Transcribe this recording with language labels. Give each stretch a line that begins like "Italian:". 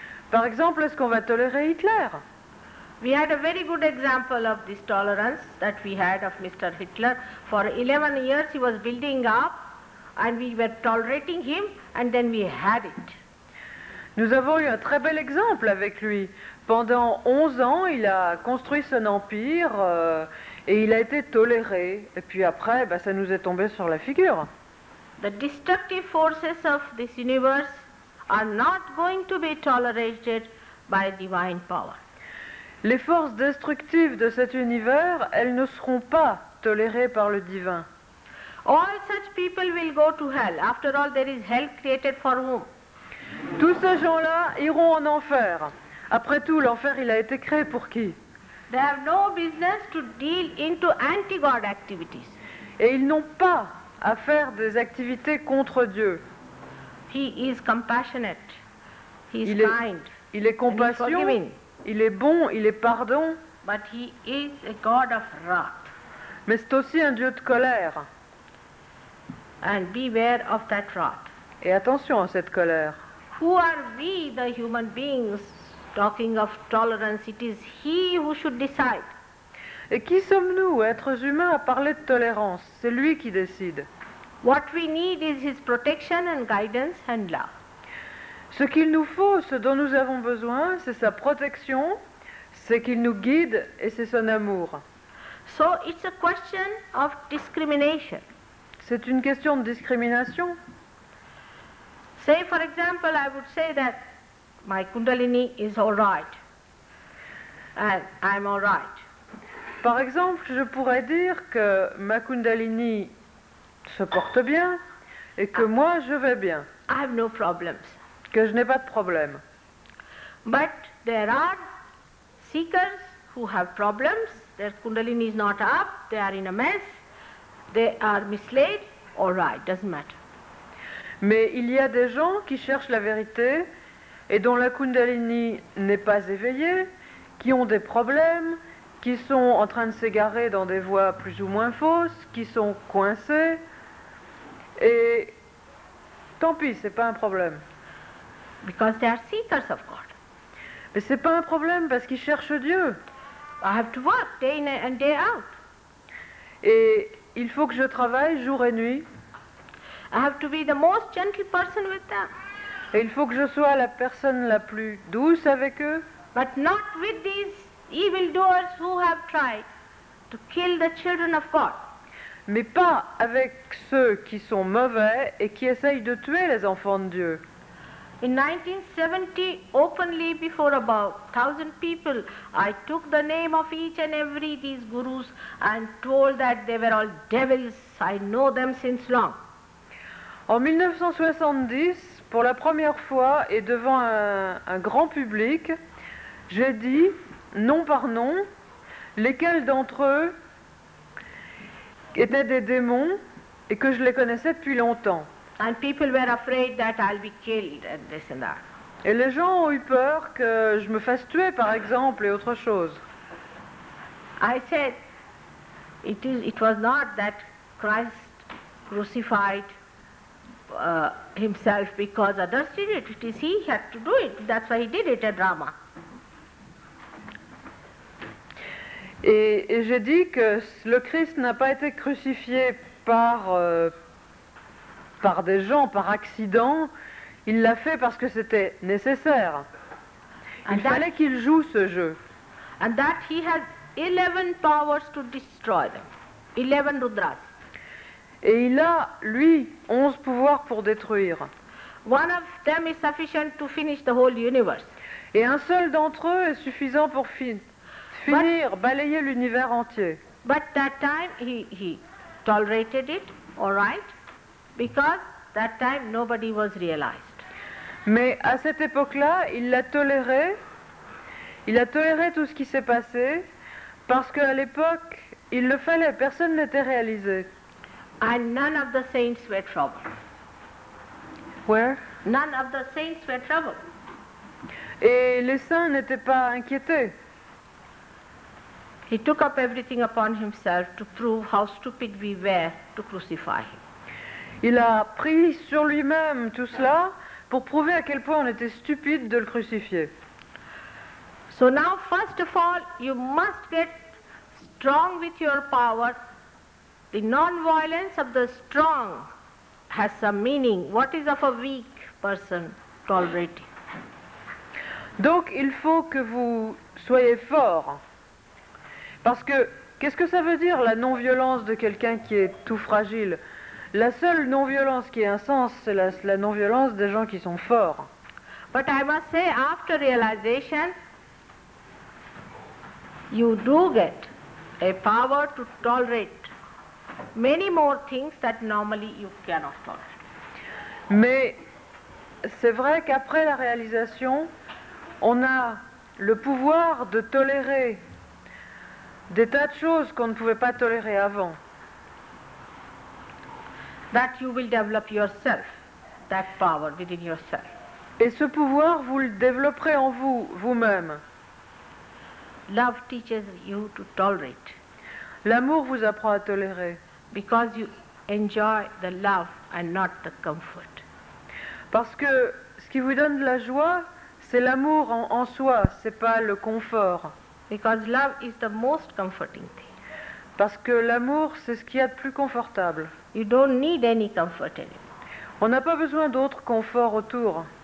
French: Par exemple, est-ce qu'on va tolérer Hitler?
English: We had a very good example of this tolerance that we had of Mr. Hitler. For 11 years he was building up and we were tolerating him and then we had it.
French: Nous avons eu un très bel exemple avec lui. Pendant 11 ans, il a construit son empire et il a été toléré. Et puis après, ça nous est tombé sur la figure.
English: The destructive forces of this universe are not going to be tolerated by divine power.
French: Les forces destructives de cet univers, elles ne seront pas tolérées par le divin.
English: All such people will go to hell. After all, there is hell created for whom?
French: Tous ces gens-là iront en enfer. Après tout, l'enfer, il a été créé pour qui?
English: They have no business to deal into anti-God activities.
French: Et ils n'ont pas à faire des activités contre Dieu.
English: He is compassionate. He is kind.
French: Il est compassion.
English: And he's forgiving.
French: Il est bon. Il est pardon.
English: But he is a god of wrath.
French: Mais c'est aussi un dieu de colère.
English: And beware of that wrath.
French: Et attention à cette colère.
English: Who are we, the human beings, talking of tolerance? It is he who should decide.
French: Et qui sommes-nous, êtres humains, à parler de tolérance? C'est lui qui décide.
English: What we need is his protection and guidance and love.
French: Ce qu'il nous faut, ce dont nous avons besoin, c'est sa protection, c'est qu'il nous guide et c'est son amour.
English: So it's a question of discrimination.
French: C'est une question de discrimination.
English: Say for example, I would say that my Kundalini is all right. And I'm all right.
French: Par exemple, je pourrais dire que ma Kundalini se porte bien et que moi je vais bien.
English: I have no problems.
French: Que je n'ai pas de problème.
English: But there are seekers who have problems. Their Kundalini is not up. They are in a mess. They are misled. All right, doesn't matter.
French: Mais il y a des gens qui cherchent la vérité et dont la Kundalini n'est pas éveillée, qui ont des problèmes, qui sont en train de s'égarer dans des voies plus ou moins fausses, qui sont coincés. Et tant pis, c'est pas un problème.
English: Because they are seekers of God.
French: Mais c'est pas un problème parce qu'ils cherchent Dieu.
English: I have to work day in and day out.
French: Et il faut que je travaille jour et nuit.
English: I have to be the most gentle person with them.
French: Et il faut que je sois la personne la plus douce avec eux.
English: But not with these evil doers who have tried to kill the children of God.
French: Mais pas avec ceux qui sont mauvais et qui essayent de tuer les enfants de Dieu.
English: In 1970, openly before about 1,000 people, I took the name of each and every these gurus and told that they were all devils. I know them since long.
French: En 1970, pour la première fois et devant un grand public, j'ai dit, nom par nom, lesquels d'entre eux étaient des démons et que je les connaissais depuis longtemps.
English: And people were afraid that I'll be killed and this and that.
French: Et les gens ont eu peur que je me fasse tuer, par exemple, et autre chose.
English: I said, it was not that Christ crucified himself because others did it. It is he had to do it. That's why he did it, a drama.
French: Et j'ai dit que le Christ n'a pas été crucifié par des gens, par accident, il l'a fait parce que c'était nécessaire. Il fallait qu'il joue ce jeu.
English: And that he has 11 powers to destroy them. 11 rudras.
French: Et il a, lui, 11 pouvoirs pour détruire.
English: One of them is sufficient to finish the whole universe.
French: Et un seul d'entre eux est suffisant pour finir, balayer l'univers entier.
English: But that time he tolerated it, all right? Because that time nobody was realized.
French: Mais à cette époque-là, il a toléré tout ce qui s'est passé, parce qu'à l'époque, il le fallait, personne n'était réalisé.
English: And none of the saints were troubled. Where? None of the saints were troubled.
French: Et les saints n'étaient pas inquiétés.
English: He took up everything upon himself to prove how stupid we were to crucify him.
French: Il a pris sur lui-même tout cela pour prouver à quel point on était stupide de le crucifier.
English: So now, first of all, you must get strong with your power. The non-violence of the strong has some meaning. What is of a weak person tolerating?
French: Donc, il faut que vous soyez fort. Parce que, qu'est-ce que ça veut dire la non-violence de quelqu'un qui est tout fragile? La seule non-violence qui a un sens, c'est la non-violence des gens qui sont forts.
English: But I must say, after realization, you do get a power to tolerate many more things that normally you cannot tolerate.
French: Mais c'est vrai qu'après la réalisation, on a le pouvoir de tolérer des tas de choses qu'on ne pouvait pas tolérer avant.
English: That you will develop yourself, that power within yourself.
French: Et ce pouvoir, vous le développerez en vous-même.
English: Love teaches you to tolerate.
French: L'amour vous apprend à tolérer.
English: Because you enjoy the love and not the comfort.
French: Parce que ce qui vous donne de la joie, c'est l'amour en soi, c'est pas le confort.
English: Because love is the most comforting thing.
French: Parce que l'amour, c'est ce qu'il y a de plus confortable.
English: You don't need any comfort anymore.
French: On n'a pas besoin d'autres conforts autour.